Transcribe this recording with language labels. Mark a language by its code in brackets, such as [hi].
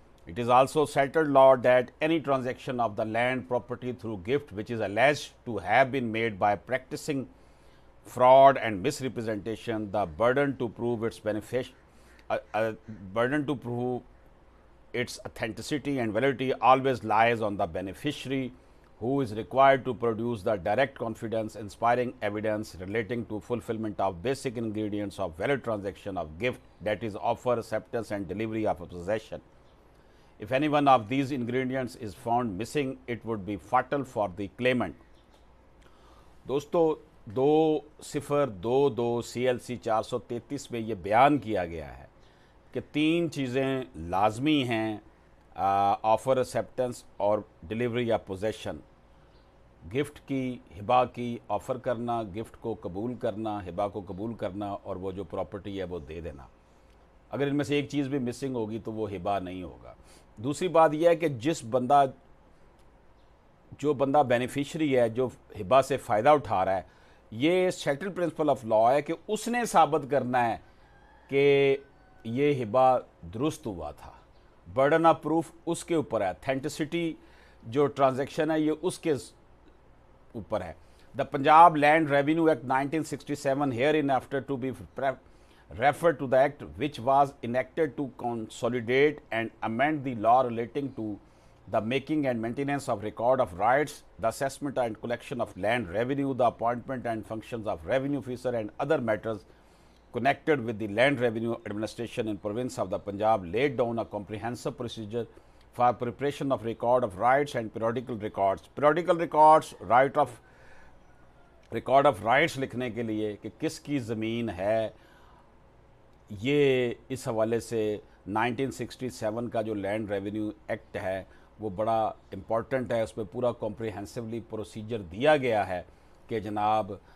[en] It is also settled law that any transaction of the land property through gift which is alleged to have been made by practising fraud and misrepresentation the burden to prove its benefit burden to prove its authenticity and validity always lies on the beneficiary who is required to produce the direct confidence inspiring evidence relating to fulfilment of basic ingredients of valid transaction of gift that is offer acceptance and delivery of a possession. If any one of these ingredients is found missing, it would be fatal for the claimant. [hi] दोस्तों 2022 CLC 433 में ये बयान किया गया है कि तीन चीज़ें लाजमी हैं, ऑफर एक्सेप्टेंस और डिलीवरी या पोजेशन। गिफ्ट की, हिबा की, ऑफ़र करना, गिफ्ट को कबूल करना, हिबा को कबूल करना और वो जो प्रॉपर्टी है वो दे देना। अगर इनमें से एक चीज़ भी मिसिंग होगी तो वो हिबा नहीं होगा। दूसरी बात यह है कि जो बंदा बेनिफिशरी है, जो हिबा से फ़ायदा उठा रहा है, ये सेटल प्रिंसिपल ऑफ लॉ है कि उसने साबित करना है कि ये हिबा दुरुस्त हुआ था। बर्डन ऑफ प्रूफ उसके ऊपर है, अथेंटिसिटी जो ट्रांजैक्शन है ये उसके ऊपर है। [en] The Punjab land revenue act 1967 hereinafter to be refer to the act which was enacted to consolidate and amend the law relating to the making and maintenance of record of rights, the assessment and collection of land revenue, the appointment and functions of revenue officer and other matters connected with the land revenue administration in province of the Punjab laid down a comprehensive procedure for preparation of record of rights and periodical records. Periodical records, right of record of rights [hi] likhne ke liye ki kiski zameen hai, ये इस हवाले से 1967 का जो land revenue act है वो बड़ा important है। उस पर पूरा कॉम्प्रिहेंसिवली प्रोसीजर दिया गया है कि जनाब